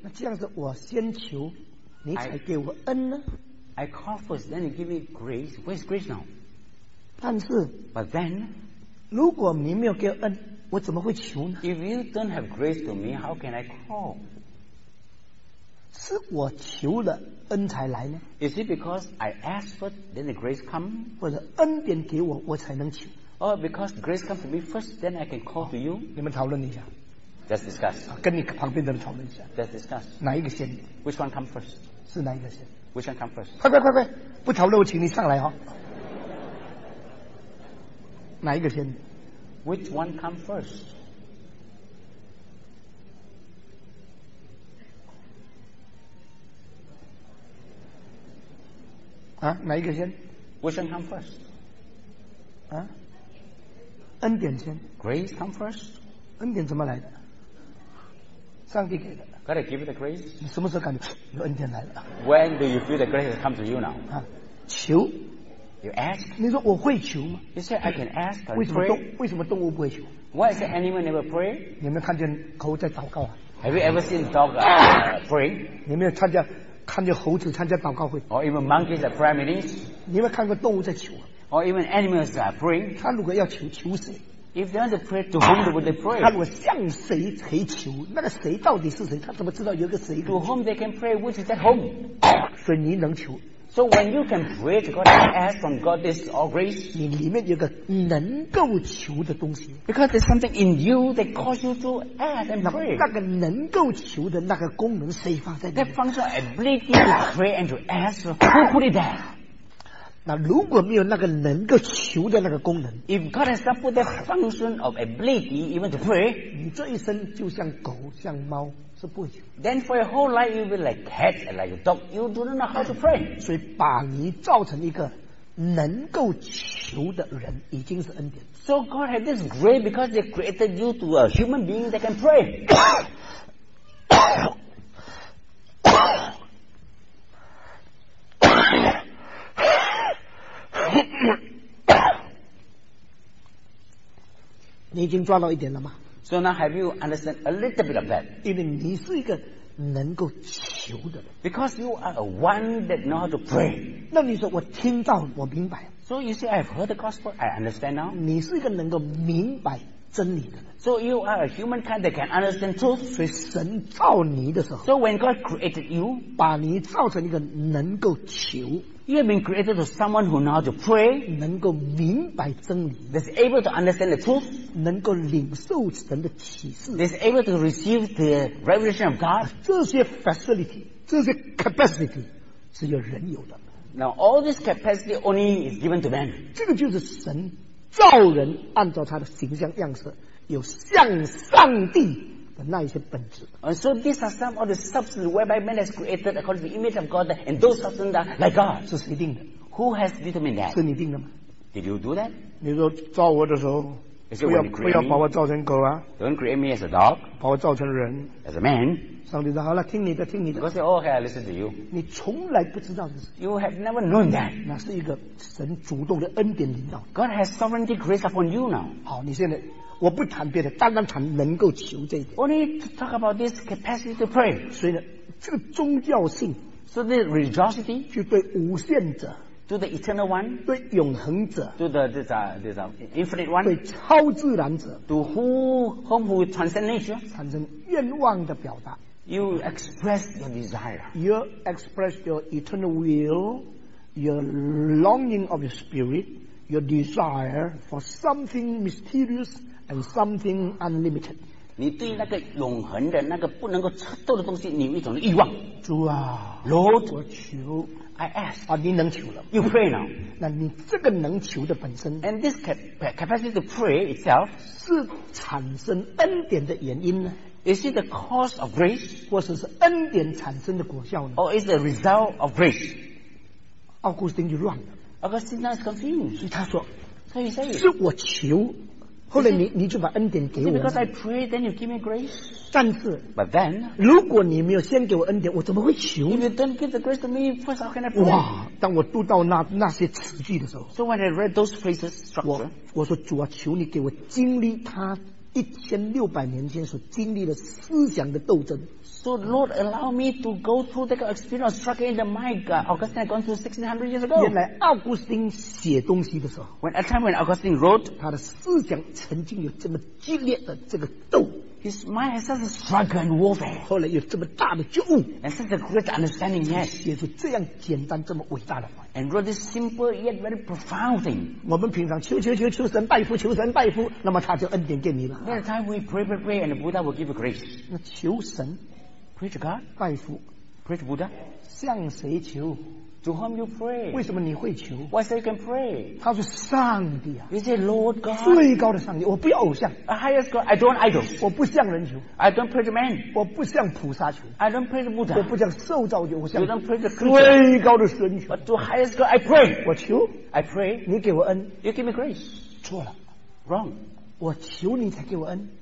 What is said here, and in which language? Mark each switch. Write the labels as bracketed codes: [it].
[zh] 那这样子我先求你才给我恩呢 [en] I call first, then you give me grace. Where's grace now? [zh] 但是 [en] But then, [zh] 如果你没有给我恩，我怎么会求呢 [en] If you don't have grace to me, how can I call? [zh] 是我求了恩才来呢 [en] Is it because I ask first, then the grace come? [zh] 或者恩典给我，我才能求 [en] Or because grace come to me first, then I can call to you? [zh] 你们讨论一下 [en] Let's discuss. [zh] 跟你旁边的人讨论一下。 [en] Let's discuss. [zh] 哪一个先 [en] ？Which one come first? [zh] 是哪一个先 [en] ？Which one come first? [zh] 快！不讨论，我请你上来哈、哦。哪一个先 [en] ？Which one come first? [zh] 啊，哪一个先 [en] ？Which one come first? [zh] 啊，恩典先。 [en] Grace come first. [zh] 恩典怎么来的？上帝给的 [en] God give you the grace [zh] 你什么时候感觉有恩典来了 [en] When do you feel the grace has come to you now [zh] 啊，求 [en] You ask [zh] 你说我会求吗 [en] You say I can ask [zh] 为什么动物不会求 [en] Why is anyone never pray [zh] 你有没有看见猴在祷告啊 [en] Have you ever seen dog praying [zh] 你有没有看见猴子参加祷告会 [en] Or even monkeys at prayer meetings [zh] 你有没有看过动物在求啊 [en] Or even animals are praying [zh] 他如果要求求谁 [en] If they want to pray, to whom would they pray? [zh] 他如果向谁可以求，那个谁到底是谁？他怎么知道有个谁 [en] ？To whom they can pray, which is at home? [zh] 所以你能求。 [en] So when you can pray to God, and ask from God this all grace. [zh] 你里面有个能够求的东西。 [en] Because there's something in you that causes you to ask and pray. [zh] 那个能够求的那个功能，谁放在里面 [en] ？That function ability to pray and to ask, who put it there? [zh] 那如果没有那个能够求的那个功能 [en] If God has not put the function of ability even to pray [zh] 你这一生就像狗像猫是不行 [en] Then for your whole life you will be like cat and like a dog You do not know how to pray [zh] 所以把你造成一个能够求的人已经是恩典 [en] So God has this grace because they created you to a human being that can pray [zh] 你已经抓到一点了吗 [en] So now have you understand a little bit of that? [zh] 因为你是一个能够求的人 [en] Because you are a one that knows how to pray [zh] 那你说我听到我明白 [en] So you say I've heard the gospel I understand now [zh] 你是一个能够明白真理的人 [en] So you are a humankind that can understand truth [zh] 所以神造你的时候 [en] So when God created you [zh] 把你造成一个能够求 [en] You have been created to someone who knows how to pray, [zh] 能够明白真理 [en] that's able to understand the truth, [zh] 能够领受神的启示 [en] that's able to receive the revelation of God. [zh] 这些 facility, 这些 capacity, 只有人有的。 [en] Now all this capacity only is given to man. [zh] 这个就是神造人按照他的形象样式有向上帝的那一些本质。 [en] And so these are some of the substances whereby man has created according to the image of God, and those substances are like God. [zh] 是谁定的？ [en] Who has determined that? [zh] 是你定的吗？ [en] Did you do that? [zh] 你说造我的时候，不要把我造成狗啊。 [en] Don't create me as a dog. [zh] 把我造成人。 [en] As a man. [zh] 上帝说好了，听你的，听你的。 [en] God said, oh, hey, I listen to you. [zh] 你从来不知道的事。 [en] You have never known that. [zh] 那是一个神主动的恩典领导。 [en] God has sovereignty grace upon you now. [zh] 好，你现在。我不谈别的，单单谈能够求这一点。 [en] Only to talk about this capacity to pray. [zh] 所以呢，这个宗教性 [en] ，so the religiosity， [zh] 就对无限者 [en] ，to the eternal one， [zh] 对永恒者 [en] ，to the this infinite one， [zh] 对超自然者 [en] ，to whom who transcend nature， [zh] 产生愿望的表达。 [en] You express your desire. You express your eternal will, your longing of your spirit, your desire for something mysterious. And something unlimited. [zh] 你对那个永恒的那个不能够测度的东西，你有一种欲望。主啊 [en] ，Lord， [zh] 我求 [en] ，I ask [zh] 啊，你能求了 [en] ？You pray now. [zh] 那你这个能求的本身 [en] ，And this capacity to pray itself [zh] 是产生恩典的原因呢 [en] ？Is it the cause of grace， [zh] 或者是恩典产生的果效呢 [en] ？Or is the result of grace？ [zh] 奥古斯丁就乱了。 [en] Augustine is confused. [zh] 所以他说 [en] ，So he says， [zh] 是我求。后来 你就把恩典给我了。 [en] Because I pray, then you give me grace. [zh] 但是 [en] ，But then， [zh] 如果你没有先给我恩典，我怎么会求 [en] ？If you don't give the grace to me, first how can I pray？ [zh] 哇，当我读到那些词句的时候 [en] ，So when I read those phrases, structure， [zh] 我说主啊，求你给我经历他1600年前所经历的思想的斗争。 [en] So Lord, allow me to go through that experience struggle in the mind. Augustine had gone through 1600 years ago. [zh] 原来奥古斯丁写东西的时候 [en] ，When at time when Augustine wrote， [zh] 他的思想曾经有这么激烈的这个斗。 [en] His mind has such a struggle and warfare. [zh] 后来有这么大的觉悟 [en] ，and such a great understanding. Yes， [zh] 写出这样简单这么伟大的话。 [en] And wrote this simple yet very profound thing. [zh] 我们平常求求求求神拜福求神拜福，那么他就恩典给你了。 [en] At that time we pray pray pray and Buddha will give grace. [zh] 那求神 [en] ，pray to God， [zh] 拜福 [en] ，pray to Buddha， [zh] 向谁求？ [en] To whom you pray? [zh] 为什么你会求 [en] ？Why say you can pray? [zh] 他说上帝啊 [en] ，Is it Lord God? [zh] 最高的上帝，我不要偶像。 [en] A highest God, I don't idol. [zh] 我不向人求 [en] ，I don't pray to man. [zh] 我不向菩萨求 [en] ，I don't pray to Buddha. [zh] 我不向受造主，我向 [en] ，You don't pray to creature. [zh] 最高的神求 [en] ，But to highest God, I pray. [zh] 我求 [en] ，I pray. [zh] 你给我恩 [en] ，You give me grace. [zh] 错了 [en] ，Wrong. [zh] 我求你才给我恩。